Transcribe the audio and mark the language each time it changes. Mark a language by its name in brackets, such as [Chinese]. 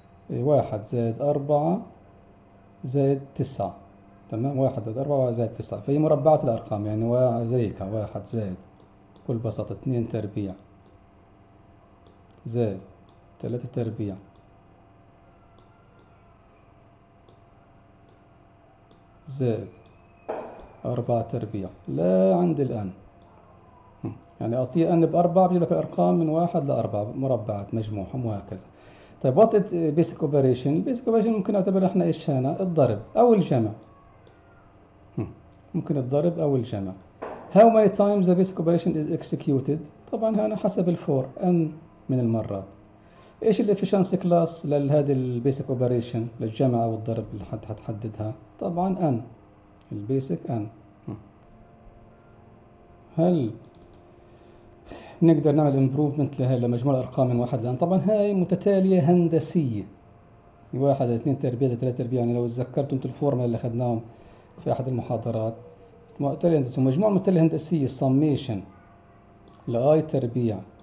[Arabic] 1 زائد 4 زائد 9 تمام، 1 زائد 4 زائد 9، فهي مربعات الأرقام يعني زيك، 1 زائد بكل بساطة 2 تربيع زائد 3 تربيع زائد 4 تربيع. لا عندي الآن، يعني أعطيه أن بـ4 بجيب لك الأرقام من 1 لـ4 مربعات مجموعهم وهكذا. طيب وات بيسك أوبريشن؟ بيسك أوبريشن ممكن نعتبر إحنا إيش هنا؟ الضرب أو الجمع. ممكن الضرب أو الجمع. [English] How many times the basic operation is executed؟ [Arabic] طبعا هنا حسب الفور، أن من المرات. إيش الإفشنسي كلاس لهذه البيسك أوبريشن، للجمع أو الضرب اللي حتحددها؟ طبعا أن، البيسك ان. هل نقدر نعمل امبروفمنت لهي لمجموع الارقام من 1 لان طبعا هاي متتاليه هندسيه، 1 2 تربيع 3 تربيع، يعني لو تذكرتم الفورمه اللي اخذناهم في احد المحاضرات، متتاليه هندسيه، مجموع متتاليه هندسيه سميشن لاي تربيع